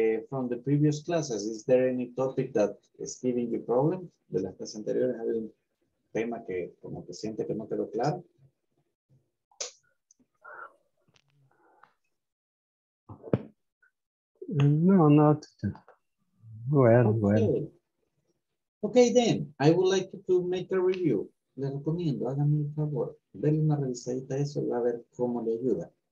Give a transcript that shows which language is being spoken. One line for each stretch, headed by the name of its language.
English: From the previous classes, is there any topic that is giving you problems?
Spanish: De las clases anteriores, ¿hay un tema que como que siente que no quedó claro?
English: No, not. Well. Okay, then, I would like to make a review.
Spanish: Le recomiendo, hágame un favor. Denle una revisadita a eso y va a ver cómo le ayuda.